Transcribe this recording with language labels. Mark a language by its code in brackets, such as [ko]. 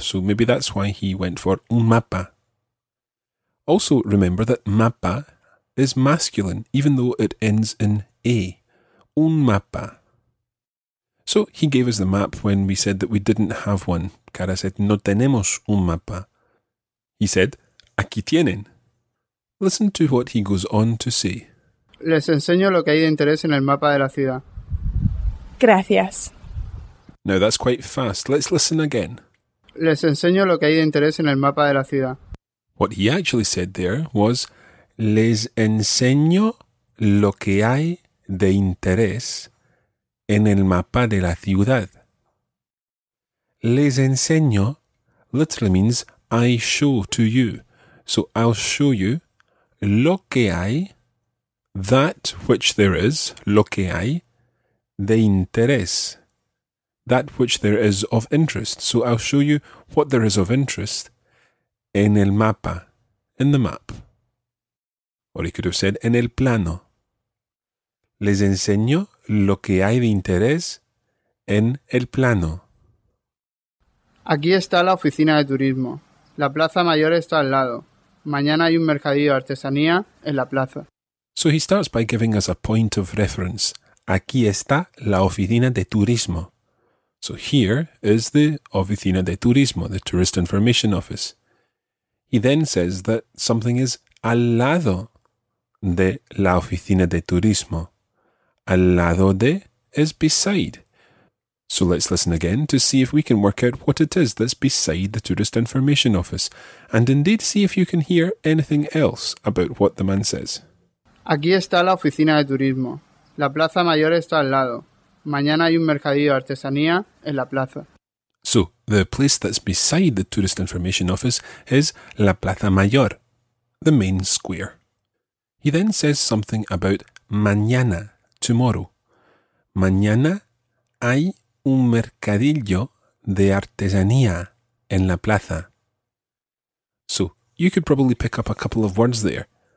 [en] So maybe that's why he went for [es] un mapa. [en] Also remember that mapa is masculine, even though it ends in a. [es] Un mapa. [en] So he gave us the map when we said that we didn't have one. Cara said, [es] no tenemos un mapa. [en] He said, [es] aquí tienen. [en] Listen to what he goes on to say. [es] Les enseño lo que hay de interés en el mapa de la ciudad. Gracias. [en] Now that's quite fast. Let's listen again. [es] Les enseño lo que hay de interés en el mapa de la ciudad. [en] What he actually said there was, [es] les enseño lo que hay de interés en el mapa de la ciudad. Les enseño [en] literally means I show to you. So I'll show you [es] lo que hay, [en] that which there is, [es] lo que hay de interés, [en] that which there is of interest. So I'll show you what there is of interest. [es] En el mapa, [en] in the map. Or he could have said, [es] en el plano. [en] Les enseño lo que hay de interés en el plano. [es] Aquí está la oficina de turismo. La plaza mayor está al lado. Mañana hay un mercadillo de artesanía en la plaza. [en] So he starts by giving us a point of reference. [es] Aquí está la oficina de turismo. [en] So here is the [es] oficina de turismo, [en] the tourist information office. He then says that something is [es] al lado de la oficina de turismo. Al lado de [en] is beside. So let's listen again to see if we can work out what it is that's beside the tourist information office. And indeed see if you can hear anything else about what the man says. [es] Aquí está la oficina de turismo. La plaza mayor está al lado. Mañana hay un mercadillo de artesanía en la plaza. [en] So, the place that's beside the tourist information office is la Plaza Mayor, the main square. He then says something about mañana, tomorrow. [es] Mañana hay un mercadillo de artesanía en la plaza. [en] So, you could probably pick up a couple of words there.